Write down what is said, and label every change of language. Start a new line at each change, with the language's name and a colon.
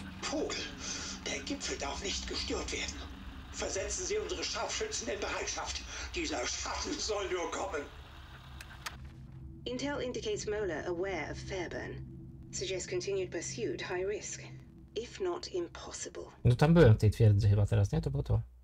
German: Pudel, der Gipfel darf nicht gestört werden. Versetzen Sie unsere Scharfschützen in Bereitschaft. Dieser Schatten soll nur kommen.
English: Intel indicates Mola aware of Fairburn. Suggests continued pursuit, high risk. If not impossible.
Polish: No tam byłem w tej twierdzy chyba teraz, nie? To było to.